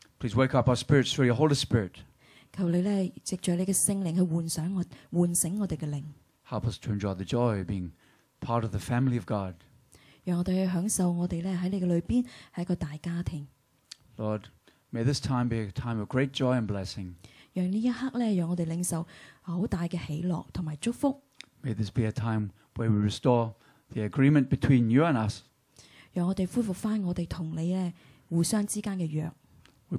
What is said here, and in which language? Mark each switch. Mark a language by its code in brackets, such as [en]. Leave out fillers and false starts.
[en] Please wake up our spirits through your Holy Spirit. [zh] 求你藉著你的聖靈去喚醒我們的靈。 [en] Help us to enjoy the joy of being part of the family of God. [zh] 讓我們享受我們在你的裏面是一個大家庭。 [en] Lord, may this time be a time of great joy and blessing. [zh] 讓這一刻讓我們領受很大的喜樂和祝福。 [en] May this be a time where we restore the agreement between you and us. [zh] 讓我們恢復我們和你互相之間的約。 [en] We